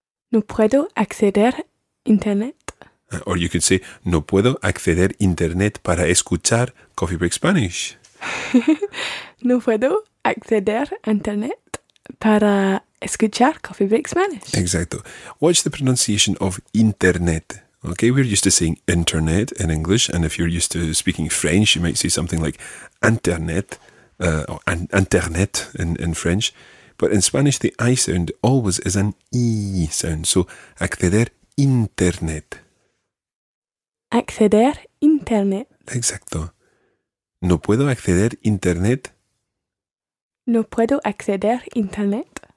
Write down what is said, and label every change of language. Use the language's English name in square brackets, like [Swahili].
[Spanish] No puedo acceder Internet. [English] Or you could say, [Spanish] no puedo acceder Internet para escuchar Coffee Break Spanish. No puedo acceder Internet para escuchar Coffee Break Spanish. Exacto. [English] Watch the pronunciation of Internet. Okay, we're used to saying internet in English, and if you're used to speaking French, you might say something like internet, or internet in French. But in Spanish, the I sound always is an E sound, so [Spanish] acceder internet. Acceder internet. Exacto. No puedo acceder internet. No puedo acceder internet.